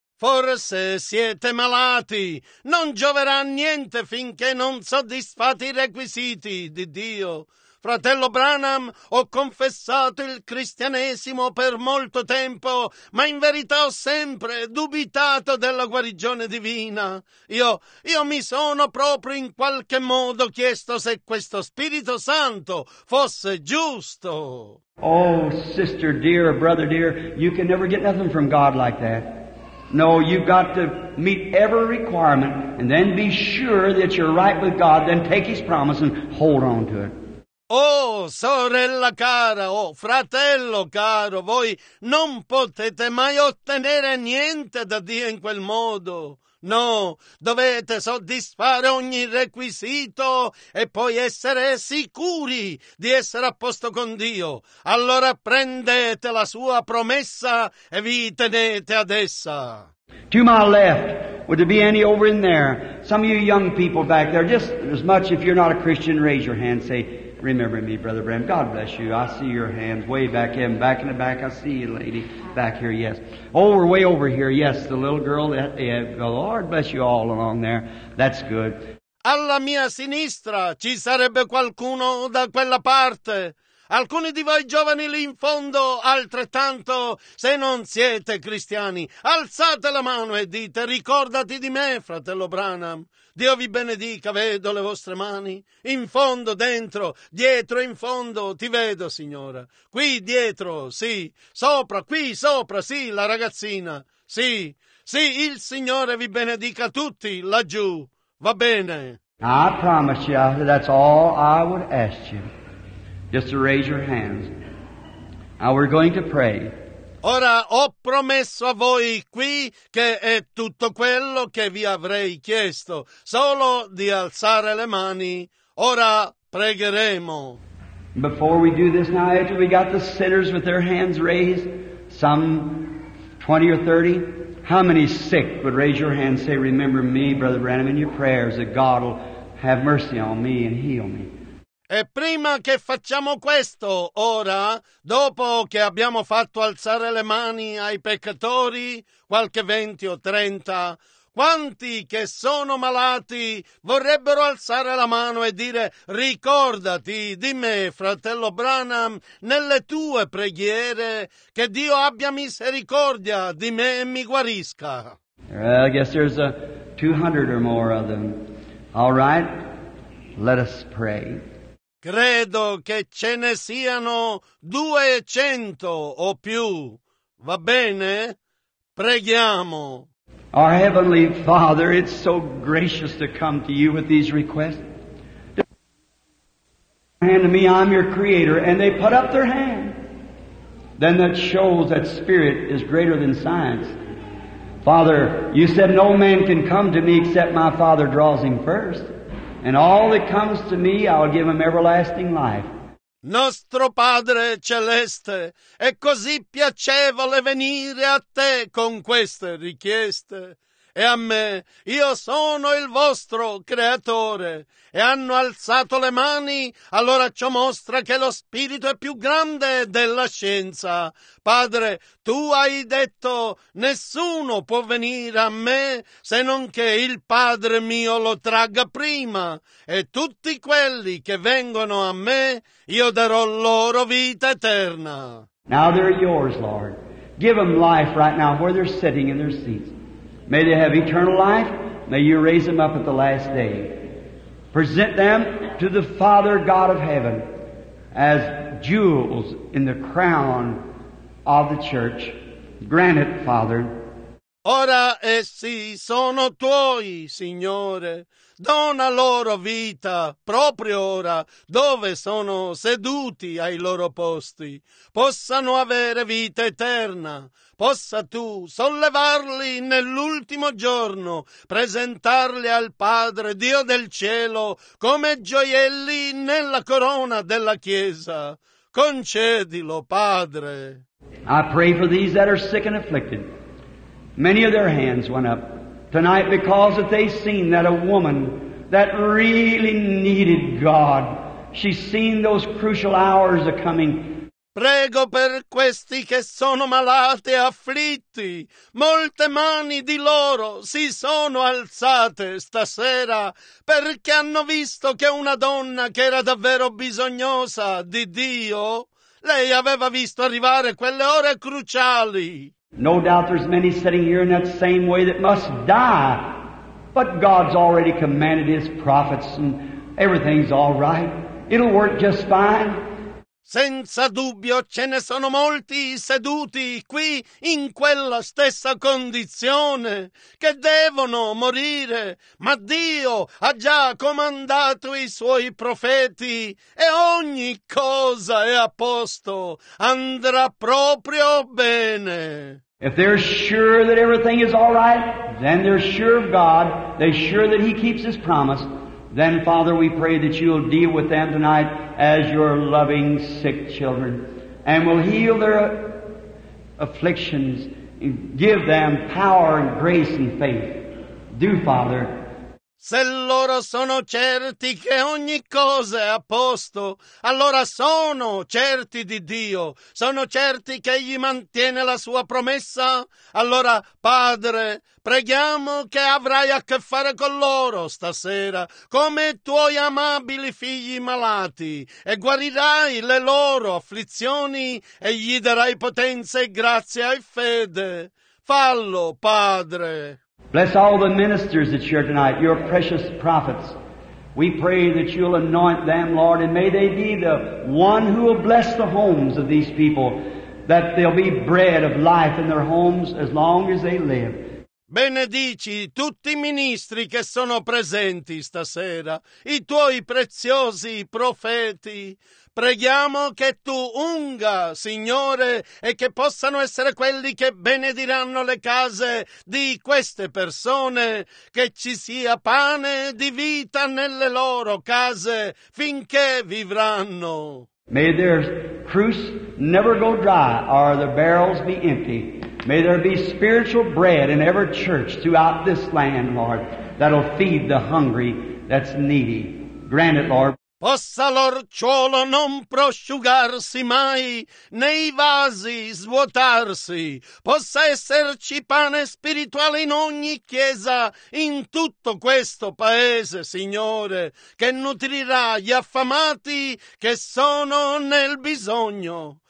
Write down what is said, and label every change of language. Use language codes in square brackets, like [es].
[it] Forse siete malati. Non gioverà niente finché non soddisfate i requisiti di Dio. Fratello Branham, ho confessato il cristianesimo per molto tempo, ma in verità ho sempre dubitato della guarigione divina. Io mi sono proprio in qualche modo chiesto se questo Spirito Santo fosse giusto. [en] Oh, sister dear, brother dear, you can never get nothing from God like that. No, you've got to meet every requirement and then be sure that you're right with God, then take His promise and hold on to it. [it] Oh, sorella cara, oh, fratello caro, voi non potete mai ottenere niente da Dio in quel modo. No, dovete soddisfare ogni requisito e poi essere sicuri di essere a posto con Dio. Allora prendete la sua promessa e vi tenete ad essa. [en] To my left, would there be any over in there? Some of you young people back there, just as much if you're not a Christian, raise your hand, say, remember me, Brother Branham. God bless you. I see your hands way back in, back in the back. I see you, lady, back here, yes. Oh, we're way over here, yes, the little girl. That, yeah, the Lord bless you all along there. That's good. [it] Alla mia sinistra ci sarebbe qualcuno da quella parte. Alcuni di voi giovani lì in fondo, altrettanto, se non siete cristiani, alzate la mano e dite, ricordati di me, fratello Branham. Dio vi benedica, vedo le vostre mani. In fondo, dentro, dietro, in fondo, ti vedo, signora. Qui, dietro, sì. Sopra, qui, sopra, sì, la ragazzina. Sì, sì, il Signore vi benedica tutti, laggiù. Va bene. [en] I promise you, that's all I would ask you. Just to raise your hands. Now we're going to pray. [it] Ora ho promesso a voi qui che è tutto quello che vi avrei chiesto, solo di alzare le mani. Ora pregheremo. [en] Before we do this now, after we got the sinners with their hands raised, some 20 or 30, how many sick would raise your hand and say, remember me, Brother Branham, in your prayers that God will have mercy on me and heal me. [it] E prima che facciamo questo, ora, dopo che abbiamo fatto alzare le mani ai peccatori, qualche 20 o 30, quanti che sono malati vorrebbero alzare la mano e dire, ricordati di me, fratello Branham, nelle tue preghiere, che Dio abbia misericordia di me e mi guarisca. [en] I guess there's 200 or more of them. All right, let us pray. [it] Credo che ce ne siano 200 o più. Va bene? Preghiamo. [en] Our Heavenly Father, it's so gracious to come to you with these requests. Hand to me, I'm your creator. And they put up their hand. Then that shows that spirit is greater than science. Father, you said no man can come to me except my Father draws him first. And all that comes to me, I'll give him everlasting life. [it] Nostro Padre Celeste, è così piacevole venire a te con queste richieste. e a me. Io sono il vostro creatore. E hanno alzato le mani, allora ciò mostra che lo spirito è più grande della scienza. Padre, tu hai detto, nessuno può venire a me se non che il Padre mio lo tragga prima. E tutti quelli che vengono a me, io darò loro vita eterna. [en] Now they're yours, Lord. Give them life right now where they're sitting in their seats. May they have eternal life. May you raise them up at the last day. Present them to the Father God of heaven as jewels in the crown of the church. Grant it, Father. [it] Ora essi sono tuoi, Signore. Dona loro vita proprio ora dove sono seduti ai loro posti. Possano avere vita eterna. Possa tu sollevarli nell'ultimo giorno, presentarli al Padre Dio del cielo come gioielli nella corona della Chiesa. Concedilo, Padre. [en] I pray for these that are sick and afflicted. Many of their hands went up tonight because that they seen that a woman that really needed God, she seen those crucial hours are coming. [it] Prego per questi che sono malati e afflitti. Molte mani di loro si sono alzate stasera perché hanno visto che una donna che era davvero bisognosa di Dio, lei aveva visto arrivare quelle ore cruciali. [en] No doubt there's many sitting here in that same way that must die. But God's already commanded his prophets and everything's all right. It'll work just fine. [it] Senza dubbio ce ne sono molti seduti qui in quella stessa condizione che devono morire, ma Dio ha già comandato i suoi profeti e ogni cosa è a posto, andrà proprio bene. [en] If they're sure that everything is all right, then they're sure of God, they're sure that he keeps his promise, then, Father, we pray that you'll deal with them tonight as your loving sick children and will heal their afflictions and give them power and grace and faith. Do, Father. [it] Se loro sono certi che ogni cosa è a posto, allora sono certi di Dio. Sono certi che egli mantiene la sua promessa. Allora, Padre, preghiamo che avrai a che fare con loro stasera, come i tuoi amabili figli malati, e guarirai le loro afflizioni e gli darai potenza e grazia e fede. Fallo, Padre. [en] Bless all the ministers that share tonight, your precious prophets. We pray that you'll anoint them, Lord, and may they be the one who will bless the homes of these people, that there'll be bread of life in their homes as long as they live. [it] Benedici tutti i ministri che sono presenti stasera, i tuoi preziosi profeti. Preghiamo che tu unga, Signore, e che possano essere quelli che benediranno le case di queste persone, che ci sia pane di vita nelle loro case finché vivranno. [en] May their cruse never go dry or their barrels be empty. May there be spiritual bread in every church throughout this land, Lord, that'll feed the hungry that's needy. Grant it, Lord. [it] Possa l'orciolo non prosciugarsi mai, né i vasi svuotarsi. Possa esserci pane spirituale in ogni chiesa, in tutto questo paese, Signore, che nutrirà gli affamati che sono nel bisogno.